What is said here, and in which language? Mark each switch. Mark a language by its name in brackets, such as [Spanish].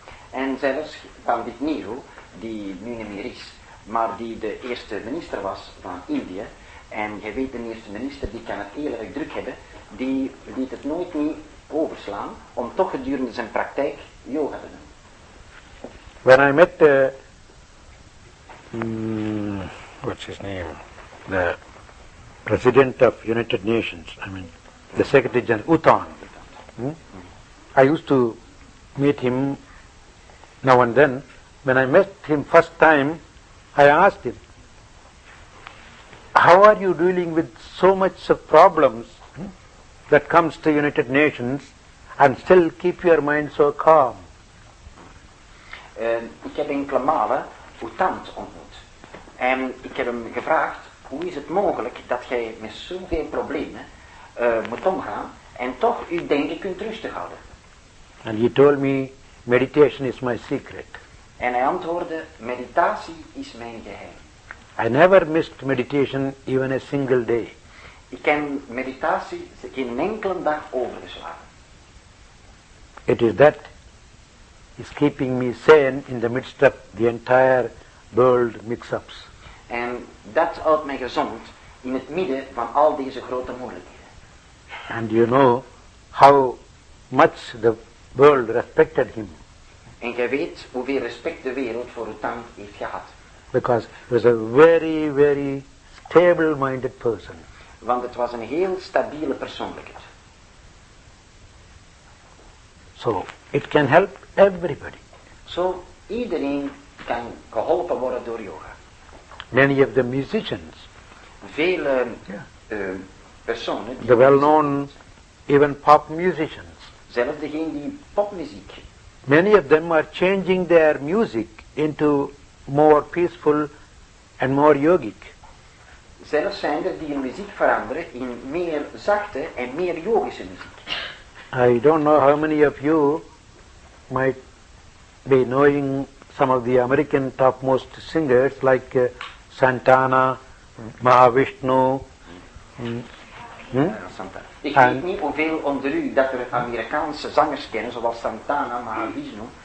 [Dutch] En zelfs Pandit Nehru, die nu niet meer is, maar die de eerste minister was van India, en je weet, de eerste minister die kan het heel erg druk hebben, die liet het nooit niet overslaan om toch gedurende zijn praktijk yoga te doen. [English] When I met what's his name? The president of United Nations, I mean, the Secretary General, Uthan. I used to meet him now and then. When I met him first time, I asked him, how are you dealing with so much of problems that comes to United Nations and still keep your mind so calm? [Dutch] Ik heb enkele malen Uthant ontmoet. En ik heb hem gevraagd, hoe is het mogelijk dat jij met zoveel problemen moet omgaan en toch je denken kunt rustig houden? [English] And he told me, meditation is my secret. [Dutch] En hij antwoordde, meditatie is mijn geheim. [English] I never missed meditation even a single day. [Dutch] Ik heb meditatie geen enkele dag overgeslagen. [English] It is that is keeping me sane in the midst of the entire world mix-ups. [Dutch] En dat houdt mij gezond in het midden van al deze grote moeilijkheden. [English] And you know how much the world respected him. [Dutch] En je weet hoeveel respect de wereld voor Uthan heeft gehad. [English] Because he was a very, very stable-minded person. [Dutch] Want het was een heel stabiele persoonlijkheid. [English] So, it can help everybody. [Dutch] So, iedereen kan geholpen worden door yoga. [English] Many of the musicians. [Dutch] Vele personen. [English] The well-known, even pop musicians. [Dutch] Zelfs degene die popmuziek. [English] Many of them are changing their music into more peaceful and more yogic. [Dutch] Zelfs zijn er die hun muziek veranderen in meer zachte en meer yogische muziek. [English] I don't know how many of you might be knowing some of the American topmost singers like Santana, Mahavishnu. [Dutch] Ik weet niet hoeveel onder u dat er Amerikaanse zangers kennen zoals Santana, Mahavishnu.